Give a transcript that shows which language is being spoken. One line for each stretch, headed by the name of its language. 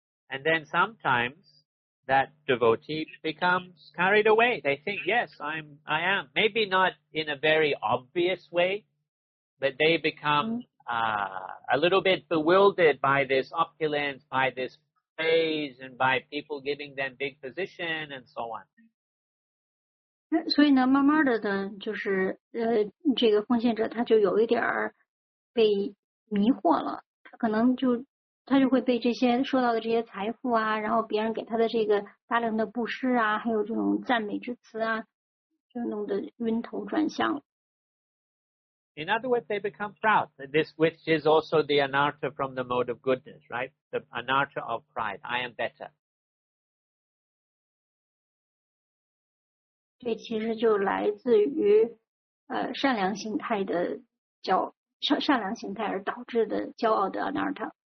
English: And then sometimes that devotee becomes carried away. They think, yes, I am. Maybe not in a very obvious way, but they become... a little bit bewildered by this opulence, by this praise, and by people giving them big position, and so on.
Chinese: 所以呢，慢慢的呢，就是这个奉献者他就有一点儿被迷惑了，他可能就他就会被这些受到的这些财富啊，然后别人给他的这个大量的布施啊，还有这种赞美之词啊，就弄得晕头转向了。
English: In other words, they become proud. This, which is also the anartha from the mode of goodness, right? The anartha of pride. I am better.
Chinese: 对，其实就来自于善良心态的善良心态而导致的骄傲的 anartha.